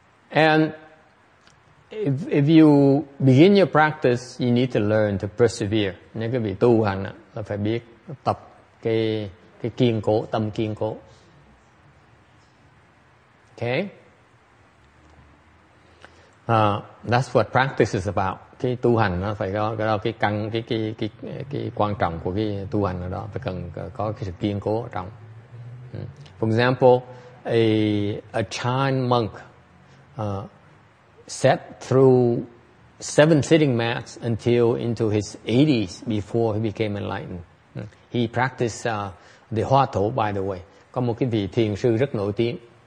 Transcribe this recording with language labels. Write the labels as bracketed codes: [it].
[en] And if you begin your practice, you need to learn to persevere. [vi] Nếu quý vị tu hành là phải biết tập cái kiên cố, tâm kiên cố. [en] Okay. That's what practice is about. [vi] Cái tu hành nó phải có đó, cái căn cái quan trọng của cái tu hành ở đó, phải cần có cái sự kiên cố ở trong. [en] For example, a Chan monk sat through 7 sitting mats until into his 80s before he became enlightened. He practiced the Hoa Thổ, by the way. [vi] Có một cái vị thiền sư rất nổi tiếng.